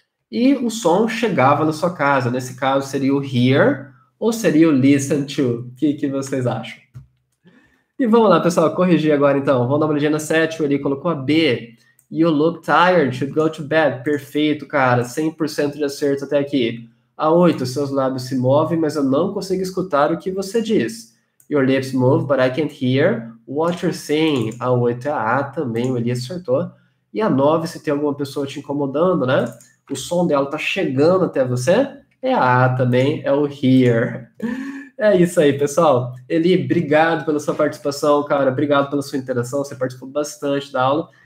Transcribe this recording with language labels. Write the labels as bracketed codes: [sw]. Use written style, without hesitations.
[pt] E o som chegava na sua casa, nesse caso seria o hear ou seria o listen to? O que que vocês acham? E vamos lá, pessoal, corrigir agora então. Vamos dar uma legenda 7, ele colocou a B. [en] You look tired, should go to bed. [pt] Perfeito, cara, 100% de acerto até aqui. A 8, seus lábios se movem, mas eu não consigo escutar o que você diz. [en] Your lips move, but I can't hear what you're saying. [pt] A 8 é a A também, o Elias acertou. E a 9, se tem alguma pessoa te incomodando, né? O som dela tá chegando até você, é a A também, é o hear. É isso aí, pessoal. Eli, obrigado pela sua participação, cara. Obrigado pela sua interação. Você participou bastante da aula.